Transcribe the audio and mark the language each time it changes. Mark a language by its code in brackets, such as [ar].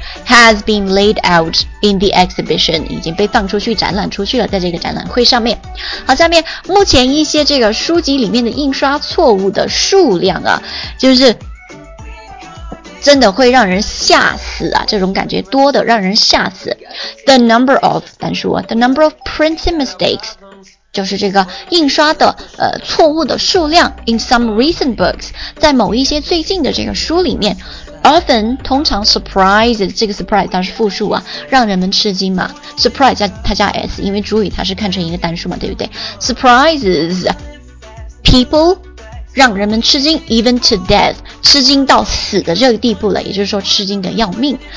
[en] Has been laid out in the exhibition, [zh] 已经被放出去展览出去了，在这个展览会上面。好，下面目前一些这个书籍里面的印刷错误的数量啊，就是真的会让人吓死啊，这种感觉多的让人吓死。 [en] The number of, [zh] 单数啊， [en] the number of printing mistakes, [zh] 就是这个印刷的错误的数量。 [en] In some recent books, [zh] 在某一些最近的这个书里面， often 通常 surprises, 这个 surprise 它是复数啊，让人们吃惊嘛， surprise 它加 s, 因为主语它是看成一个单数嘛，对不对？ [en] surprises people, [zh] 让人们吃惊， [en] even to death, [zh] 吃惊到死的这个地步了，也就是说吃惊的要命。